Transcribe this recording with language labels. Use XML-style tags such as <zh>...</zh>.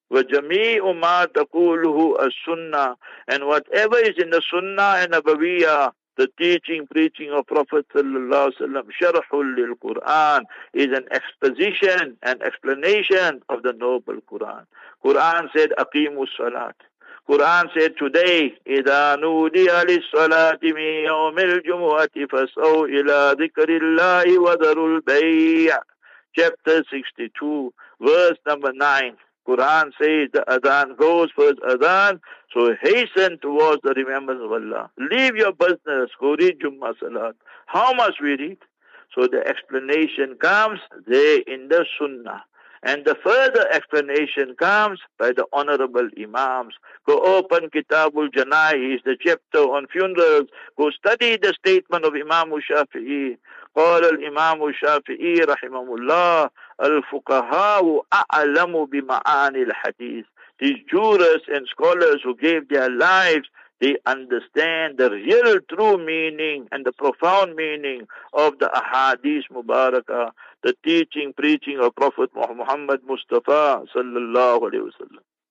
<ar>وَجَمِيعُ مَا تَقُولُهُ السُّنَّةِ,</ar> <en>and whatever is in the sunnah and nabawiyya, the teaching, preaching of Prophet sallallahu alayhi wa sallam,</en> <ar>شَرْحٌ لِلْقُرْآنِ,</ar> <en>is an exposition, an explanation of the noble Qur'an. Qur'an said,</en> <ar>أَقِيمُ الصَّلَاةِ.</ar> <en>Quran said, today,</en> <ar>إِذَا نُودِيَ لِلصَّلَاةِ مِنْ يَوْمِ الْجُمُعَةِ فَسَوْ إِلَىٰ ذِكَرِ اللَّهِ وَذَرُ الْبَيْعِ.</ar> <en>Chapter 62, verse number 9. Quran says, the Adhan goes for his Adhan, so hasten towards the remembrance of Allah. Leave your business, go read Jumma Salat. How must we read? So the explanation comes there in the Sunnah. And the further explanation comes by the honorable Imams. Go open Kitabul Janaiz, the chapter on funerals. Go study the statement of Imam Shafi'i.</en> <ar>قال الإمام الشافعي رحمه الله الفقهاء أعلم بمعاني الحديث.</ar> <en>These jurists and scholars who gave their lives, they understand the real true meaning and the profound meaning of the Ahadith Mubarakah, the teaching, preaching of Prophet Muhammad Mustafa sallallahu alayhi wa sallam.</en>